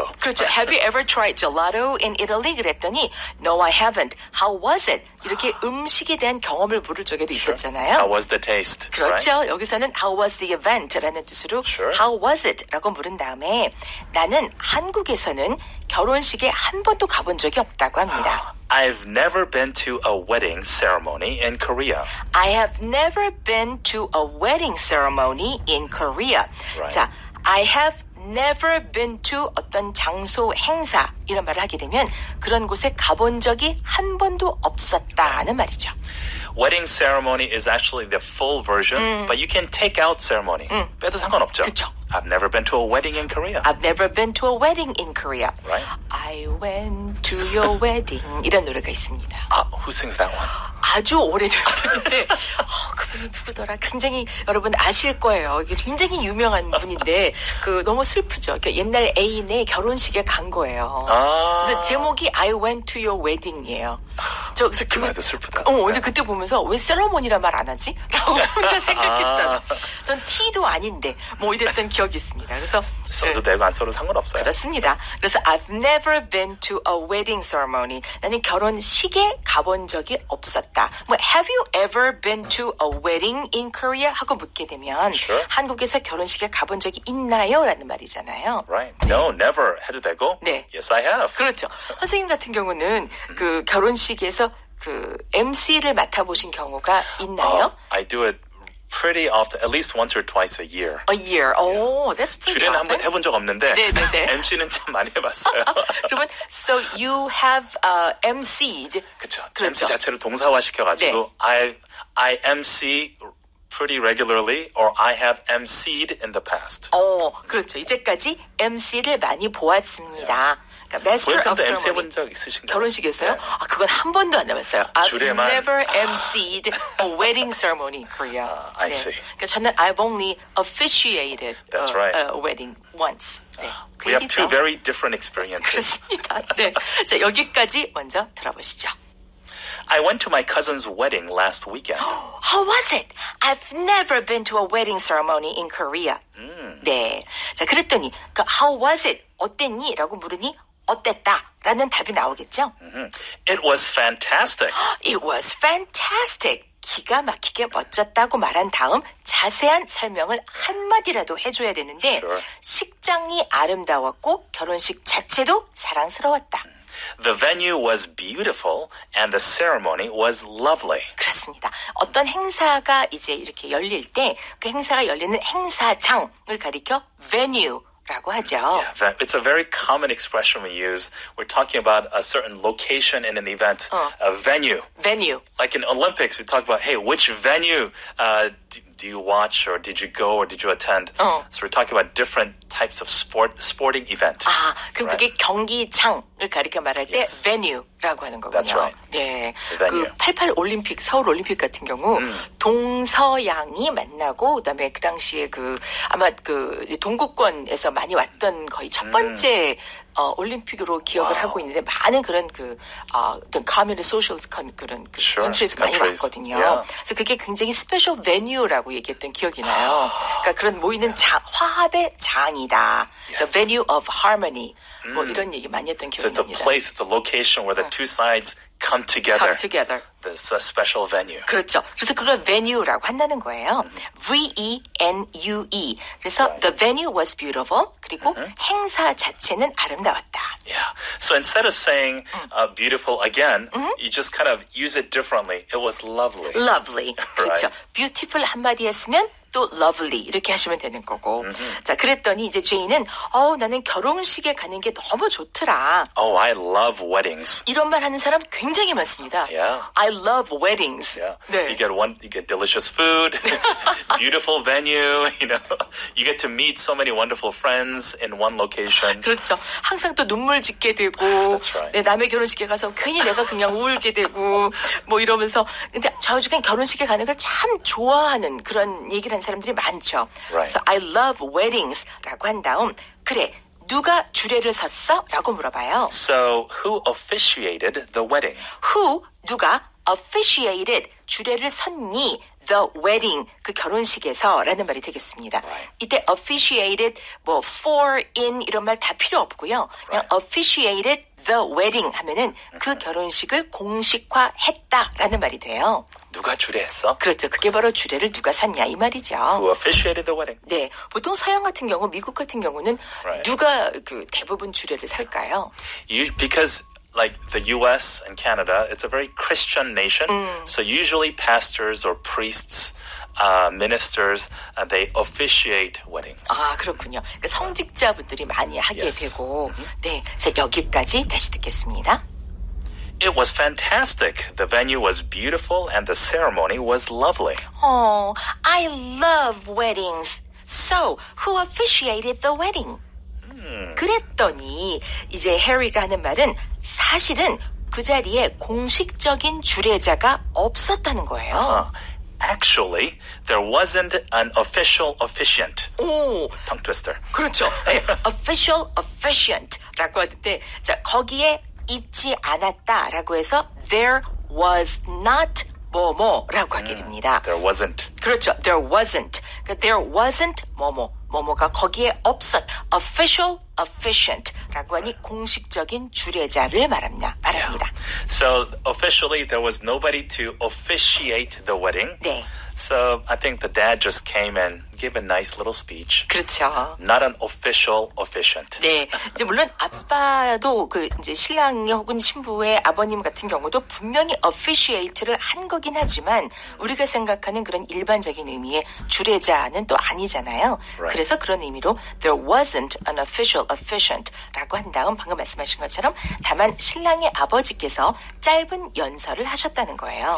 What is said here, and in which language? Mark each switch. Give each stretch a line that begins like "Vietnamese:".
English: Have,
Korean: 그렇죠.
English: Have you ever tried gelato in Italy?
Korean: 그랬더니
English: No, I haven't. How was it?
Korean: 이렇게 음식에 대한 경험을 물을 적에도
English: sure.
Korean: 있었잖아요.
English: How was the taste?
Korean: 그렇죠.
English: Right?
Korean: 여기서는
English: How was the event?
Korean: 라는 뜻으로
English: sure. How was it?
Korean: 라고 물은 다음에 나는 한국에서는 결혼식에 한 번도 가본 적이 없다고 합니다.
English: I've never been to a wedding ceremony in Korea. I have never been to a wedding ceremony in Korea. Right.
Korean: 자,
English: I have never been to
Korean: 어떤 장소 행사 이런 말을 하게 되면 그런 곳에 가본 적이 한 번도 없었다는 말이죠.
English: Wedding ceremony is actually the full version, but you can take out ceremony.
Korean: 빼도 상관없죠. 그렇죠.
English: I've never been to a wedding in Korea. I've never been to a wedding in Korea. Right? I went to your wedding.
Korean: 이런 노래가 있습니다.
English: Who sings that one?
Korean: 아주 오래됐는데 그분이 누구더라? 굉장히 여러분 아실 거예요. 굉장히 유명한 분인데 그 너무 슬프죠. 그 옛날 애인의 결혼식에 간 거예요. 아~ 그래서 제목이
English: I went to your wedding
Korean: 이에요. 저 그 말도 슬프다. 근데 그때 보면서 왜 세러머니란 말 안 하지? 라고 혼자 생각했던. 전 T도 아닌데 뭐 이랬던 기억이 있습니다. 그래서 써도 되고 안 써도 상관없어요. 그렇습니다. 그래서
English: I've never been to a wedding ceremony.
Korean: 나는 결혼식에 가본 적이 없어.
English: 뭐, have you ever been to a wedding in Korea?
Korean: 하고 묻게 되면
English: sure.
Korean: 한국에서 결혼식에 가본 적이 있나요? 라는 말이잖아요.
English: Right. No,
Korean: 네. never 해도 되고. 네.
English: Yes, I have.
Korean: 그렇죠. 선생님 같은 경우는 그 결혼식에서 그 MC를 맡아보신 경우가 있나요?
English: I do it pretty often, at least once or twice a year. A year. Oh, that's pretty often.
Korean: 주례는 한번 해본 적 없는데 네. MC는 참 많이 해봤어요. 그러면
English: so you have MC'd.
Korean: 그렇죠. MC 자체를 동사화 시켜가지고 네.
English: I MC pretty regularly or I have MC'd in the past.
Korean: 어, 그렇죠. 이제까지 MC를 많이 보았습니다.
English: Yeah.
Korean: 보셨는데 MC 해본 적 있으신가요? 결혼식에서요? 네. 아, 그건 한 번도 안 해봤어요.
English: I've
Korean: 주례만.
English: never MC'd a wedding ceremony in Korea. I
Korean: 네.
English: see.
Korean: 그러니까 저는
English: I've only officiated That's right. a wedding once.
Korean: 네.
English: We have two very different experiences.
Korean: 그렇습니다. 네. 자, 여기까지 먼저 들어보시죠.
English: I went to my cousin's wedding last weekend. How was it? I've never been to a wedding ceremony in Korea.
Korean: 네. 자, 그랬더니
English: How was it?
Korean: 어땠니? 라고 물으니 어땠다라는 답이 나오겠죠?
English: It was fantastic. It was fantastic.
Korean: 기가 막히게 멋졌다고 말한 다음 자세한 설명을 한마디라도 해줘야 되는데
English: sure.
Korean: 식장이 아름다웠고 결혼식 자체도 사랑스러웠다.
English: The venue was beautiful and the ceremony was lovely.
Korean: 그렇습니다. 어떤 행사가 이제 이렇게 열릴 때 그 행사가 열리는 행사장을 가리켜 venue. 라고 하죠.
English: Yeah, it's a very common expression we use. We're talking about a certain location in an event, a venue. Venue. Like in Olympics, we talk about, hey, which venue do you watch or did you go or did you attend? So we're talking about different types of sporting event.
Korean: 아, 그럼 right? 그게 경기장을 가리켜 말할 때 yes. venue라고 하는 거군요.
English: That's right.
Korean: 네. 그 88 올림픽, 서울 올림픽 같은 경우 동서양이 만나고 그다음에 그 당시에 그 아마 그 동구권에서 많이 왔던 거의 첫 번째 올림픽으로 기억을 하고 있는데 많은 그런 그 어떤 커뮤니티 소셜 그런 그
English: sure.
Korean: 컨트리에서 많이 왔거든요.
English: Yeah.
Korean: 그래서 그게 굉장히 스페셜 베뉴라고 얘기했던 기억이 나요. 그러니까 그런 모이는 화합의 장이다.
English: Yes. The venue of harmony.
Korean: 뭐 이런 얘기 많이 했던 기억이 납니다.
English: So it's a place, it's a location where the two sides come together. Come together. This a special venue.
Korean: 그렇죠. 그래서 그걸 venue라고 한다는 거예요. V-E-N-U-E. 그래서
English: right. the venue was beautiful.
Korean: 그리고 행사 자체는 아름다웠다.
English: Yeah. So instead of saying beautiful again, you just kind of use it differently. It was lovely. Lovely. Right?
Korean: 그렇죠. Beautiful 한마디 했으면 또 lovely 이렇게 하시면 되는 거고. Mm-hmm. 자, 그랬더니 이제 제인은 나는 결혼식에 가는 게 너무 좋더라.
English: Oh, I love weddings.
Korean: 이런 말 하는 사람 굉장히 많습니다.
English: Yeah. I love weddings. Yeah.
Korean: 네.
English: You get delicious food, beautiful venue, you get to meet so many wonderful friends in one location.
Korean: 그렇죠. 항상 또 눈물 짓게 되고
English: That's right.
Korean: 네, 남의 결혼식에 가서 괜히 내가 그냥 울게 되고 뭐 이러면서 근데 저주간 결혼식에 가는 걸 참 좋아하는 그런 얘기를 사람들이 많죠.
English: Right. So I love weddings
Korean: 라고 한 다음 그래 누가 주례를 섰어? 라고 물어봐요.
English: So who officiated the wedding?
Korean: Who 누가 officiated 주례를 섰니?
English: The wedding
Korean: 그 결혼식에서 라는 말이 되겠습니다.
English: Right.
Korean: 이때 officiated 뭐 for in 이런 말 다 필요 없고요. 그냥
English: right.
Korean: officiated the wedding 하면은 그 결혼식을 공식화했다 라는 말이 돼요. 누가 주례했어? 그렇죠. 그게 바로 주례를 누가 샀냐 이 말이죠.
English: Who officiated the wedding?
Korean: 네. 보통 서양 같은 경우 미국 같은 경우는
English: right.
Korean: 누가 그 대부분 주례를 살까요?
English: Because like the US and Canada, it's a very Christian nation. So usually pastors or priests ministers, they officiate weddings.
Korean: 아, 그렇군요. 그러니까 성직자분들이 많이 하게
English: yes.
Korean: 되고. 네, 자, 여기까지 다시 듣겠습니다.
English: It was fantastic. The venue was beautiful and the ceremony was lovely. Oh, I love weddings. So, who officiated the wedding?
Korean: 그랬더니 이제 해리가 하는 말은 사실은 그 자리에 공식적인 주례자가 없었다는 거예요.
English: Actually, there wasn't an official officiant.
Korean: 오,
English: tongue twister.
Korean: 그렇죠. 네,
English: official officiant
Korean: 라고 하는데, 자 거기에 있지 않았다라고 해서
English: there was not
Korean: 뭐뭐라고 하게 됩니다. There wasn't. 그렇죠.
English: There wasn't.
Korean: 그러니까 there wasn't 뭐뭐. 뭐뭐가 거기에 없었. Official officiant라고 하니 공식적인 주례자를 말합니다.
English: Yeah. So officially there was nobody to officiate the wedding.
Korean: 네.
English: So I think the dad just came and gave a nice little speech.
Korean: 그렇죠.
English: Not an official officiant.
Korean: 네. 이제 물론 아빠도 그 이제 신랑이 혹은 신부의 아버님 같은 경우도 분명히 officiate를 한 거긴 하지만 우리가 생각하는 그런 일반적인 의미의 주례자는 또 아니잖아요.
English: Right.
Korean: 그래서 그런 의미로
English: there wasn't an official officiant
Korean: 라고 한 다음 방금 말씀하신 것처럼 다만 신랑의 아버지께서 짧은 연설을 하셨다는 거예요.